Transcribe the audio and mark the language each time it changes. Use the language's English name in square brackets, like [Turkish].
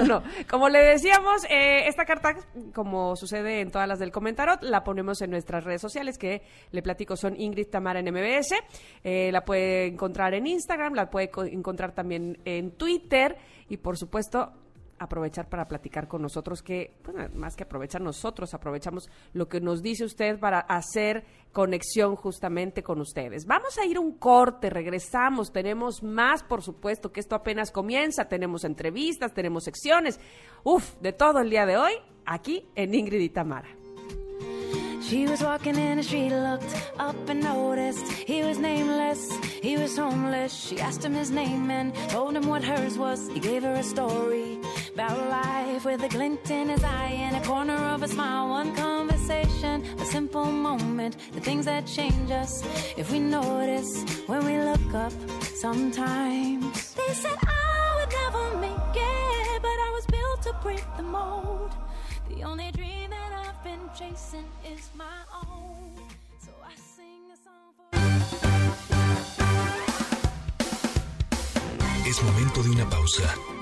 [Spanish] Bueno, como le decíamos, esta carta, como sucede en todas las del comentario, la ponemos en nuestras redes sociales, que le platico son Ingrid Tamara en MBS, la puede encontrar en Instagram, la puede encontrar también en Twitter, y por supuesto aprovechar para platicar con nosotros, que bueno, más que aprovechar, nosotros aprovechamos lo que nos dice usted para hacer conexión justamente con ustedes. Vamos a ir un corte, regresamos, tenemos más, por supuesto que esto apenas comienza, tenemos entrevistas, tenemos secciones, uf, de todo el día de hoy aquí en Ingrid y Tamara. [English] She was walking in the street, looked up and noticed he was nameless, he was homeless. She asked him his name and told him what hers was. He gave her a story about life with a glint in his eye and a corner of a smile. One conversation, a simple moment, the things that change us if we notice when we look up sometimes. They said I would never make it, but I was built to break the mold. The only dream chasing is my own, so I sing a song for... [Spanish] Es momento de una pausa.